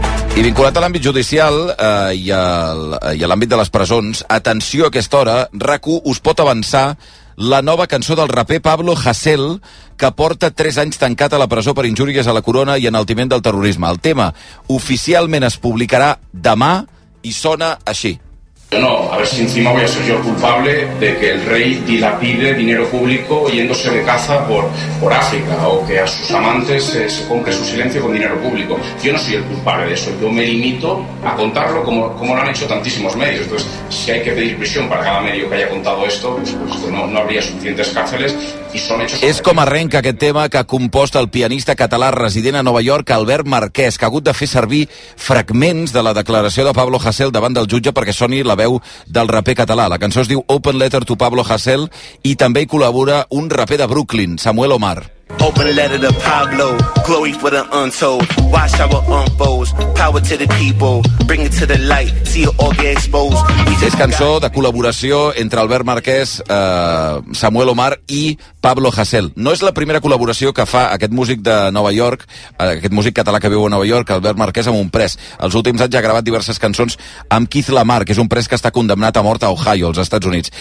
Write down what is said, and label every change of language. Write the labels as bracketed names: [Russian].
[Catalan] I vinculat a l'àmbit judicial i a l'àmbit de les presons, atenció a aquesta hora, RAC1 us pot avançar la nova cançó del raper Pablo Hasél, que porta 3 anys tancat a la presó per injúries a la corona i enaltiment del terrorisme. El tema oficialment es publicarà demà i sona així. [Spanish] No, a ver si encima voy a ser yo el culpable de que el rey dilapide dinero público yéndose de caza por África, o que a sus amantes se compre su silencio con dinero público. Yo no soy el culpable de eso, yo me limito a contarlo como lo han hecho tantísimos medios. Entonces, si hay que pedir prisión para cada medio que haya contado esto, pues no habría suficientes cárceles y son hechos... [Catalan] És com arrenca aquest tema que ha compost el pianista català resident a Nova York, Albert Marquès, que ha hagut de fer servir fragments de la declaració de Pablo Hasél davant del jutge perquè soni la veu del raper català. La cançó es diu Open Letter to Pablo Hasél i també hi col·labora un raper de Brooklyn, Samuel Omar. [English] Open letter to Pablo, glory for the untold. Watch how it unfolds, power to the people. Bring it to the light, see it all get exposed. [Catalan] És cançó de col·laboració entre Albert Marquès, Samuel Omar i Pablo Hasél. No és la primera col·laboració que fa aquest músic de Nova York, aquest músic català que viu a Nova York, Albert Marquès, amb un pres. Els últims anys ha gravat diverses cançons amb Keith Lamar, que és un pres que està condemnat a mort a Ohio, als Estats Units.